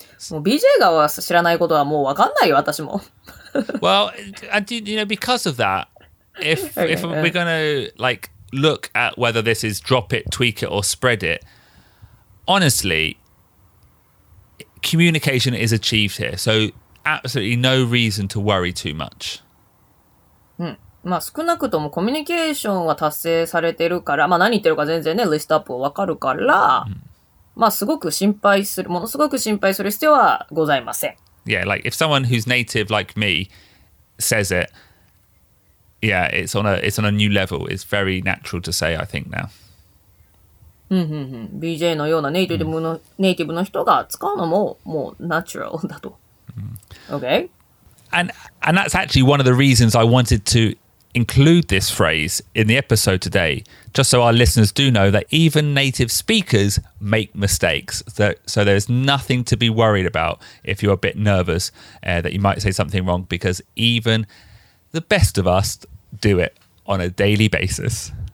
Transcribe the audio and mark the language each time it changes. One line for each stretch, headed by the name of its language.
Japanese: もう BJ が知らないことはもうわかんないよ、私も。
English: Well, and you know, because of that, if we're gonna like look at whether this is drop it, tweak it, or spread it, honestly, communication is achieved here, so absolutely no reason to worry too much.
Japanese: まあ少なくともコミュニケーションは達成されてるから、まあ何言ってるか全然ね、リストアップはわかるから、まあすごく心配する、ものすごく心配する必要はございません。
English: Yeah, like if someone who's native like me says it, yeah, it's on a new level. It's very natural to say, I think now.
Japanese: BJ のようなネイティブの人が使うのももうナチュラルだと。Okay.
English: And that's actually one of the reasons I wanted to include this phrase in the episode today, just so our listeners do know that even native speakers make mistakes. So there's nothing to be worried about if you're a bit nervous that you might say something wrong, because even the best of us do it on a daily basis.